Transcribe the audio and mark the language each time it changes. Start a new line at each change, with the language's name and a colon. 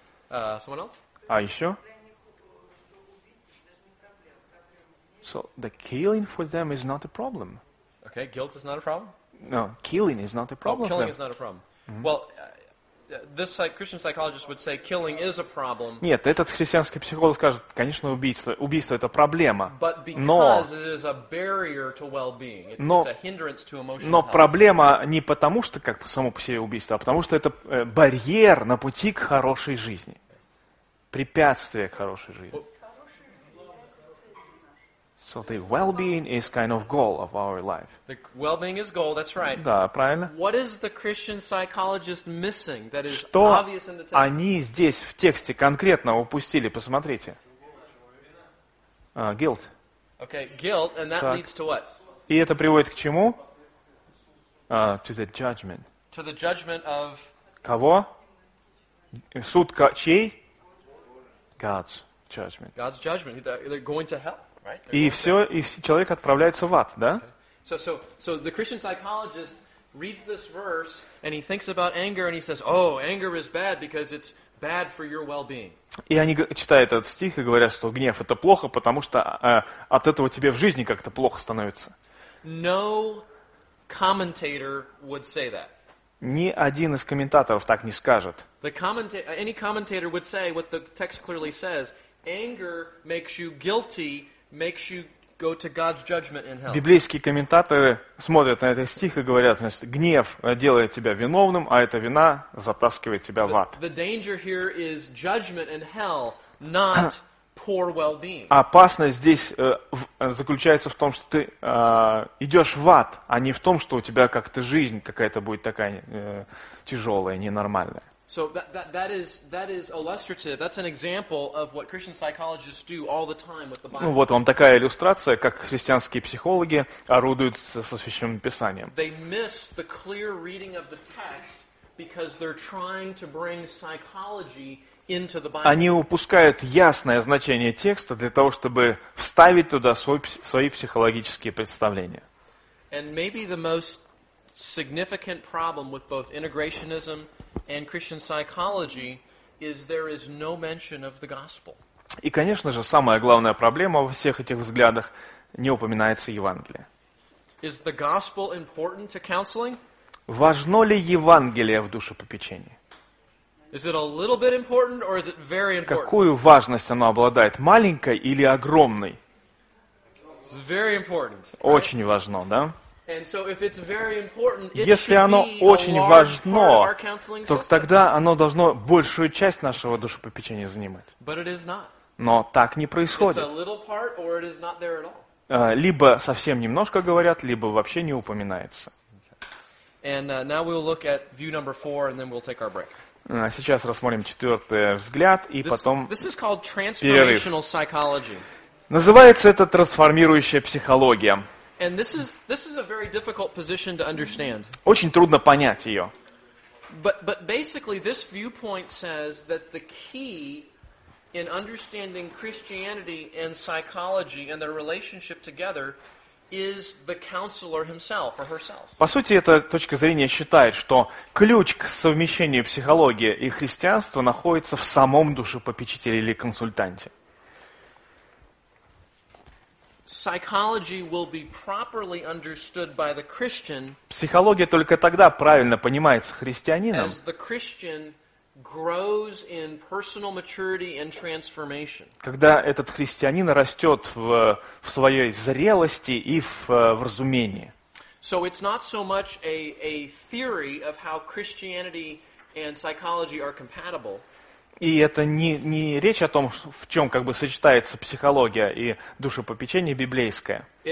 English: Someone else?
Russian: А еще?
English: So the killing for them is not a problem. Okay, guilt is not a problem? No, killing is not a problem. Oh, killing is not a problem. Mm-hmm. Well, this Christian psychologist would say killing is a problem.
Russian: Нет, этот христианский психолог скажет, конечно, убийство это проблема.
English: But because it is a barrier to well-being. It's a hindrance to emotional health.
Russian: Но проблема не потому, что как само по себе убийство, а потому что это барьер на пути к хорошей жизни. Препятствие к хорошей жизни.
English: So the well-being is kind of goal of our life. The well-being is goal, that's right.
Russian: Да, правильно.
English: What is the Christian psychologist missing that is
Russian: что
English: obvious in the text?
Russian: Что они здесь в тексте конкретно упустили? Посмотрите.
English: Guilt. Okay, guilt, and that
Russian: так
English: leads to what?
Russian: И это приводит к чему?
English: To the judgment. To the judgment of?
Russian: Кого? Суд чей?
English: God's judgment. God's judgment. They're going to hell.
Russian: И все, и человек отправляется в ад, да?
English: So the Christian psychologist reads this verse and he thinks about anger and he says, "Oh, anger is bad because it's bad for your well-being."
Russian: И они читают этот стих и говорят, что гнев это плохо, потому что от этого тебе в жизни как-то плохо становится.
English: No commentator would say that.
Russian: Ни один из комментаторов так не скажет.
English: Any commentator would say what the text clearly says: anger makes you guilty. Makes you go to God's judgment in hell.
Russian: Библейские комментаторы смотрят на этот стих и говорят, значит, гнев делает тебя виновным, а эта вина затаскивает тебя в ад.
English: The danger here is judgment in hell, not poor well-being.
Russian: Опасность здесь заключается в том, что ты идешь в ад, а не в том, что у тебя как-то жизнь какая-то будет такая тяжелая, ненормальная.
English: So that is illustrative. That's an example of what Christian psychologists do all the time with the Bible.
Russian: Ну вот вам такая иллюстрация, как христианские психологи орудуют со Священным Писанием.
English: They miss the clear reading of the text because they're trying to bring psychology into the Bible.
Russian: Они упускают ясное значение текста для того, чтобы вставить туда свои психологические представления.
English: And maybe the most significant problem with both integrationism and Christian psychology is there is no mention of the gospel.
Russian: И, конечно же, самая главная проблема во всех этих взглядах не упоминается Евангелие.
English: Is the gospel important to counseling?
Russian: Важно ли Евангелие в душепопечении?
English: Is it a little bit important or is it very important?
Russian: Какую важность оно обладает, маленькой или огромной?
English: It's very important.
Russian: Очень важно, да?
English: And so if it's very important, it
Russian: если оно
English: should be
Russian: очень
English: a
Russian: важно,
English: large part of our
Russian: то тогда оно должно большую часть нашего душепопечения занимать.
English: But it is not.
Russian: Но так не происходит.
English: It's a little part, or it is not there at all.
Russian: Либо совсем немножко говорят, либо вообще не упоминается.
English: And now we'll look at view number four, and then we'll take our break.
Russian: Сейчас рассмотрим четвертый взгляд, и потом перерыв.
English: This is called transformational psychology.
Russian: Называется это трансформирующая психология.
English: And this is a very difficult position to understand.
Russian: Очень трудно понять ее.
English: But basically, this viewpoint says that the key in understanding Christianity and psychology and their relationship together is the counselor himself or herself.
Russian: По сути, эта точка зрения считает, что ключ к совмещению психологии и христианства находится в самом душепопечителе или консультанте.
English: Psychology will be properly understood by the Christian.
Russian: Психология только тогда правильно понимается христианином.
English: As the Christian grows in personal maturity and transformation.
Russian: Когда этот христианин растет в своей зрелости и в разумении.
English: So it's not so much a theory of how Christianity and psychology are compatible.
Russian: И это не речь о том, в чем как бы сочетается психология и душепопечение библейское.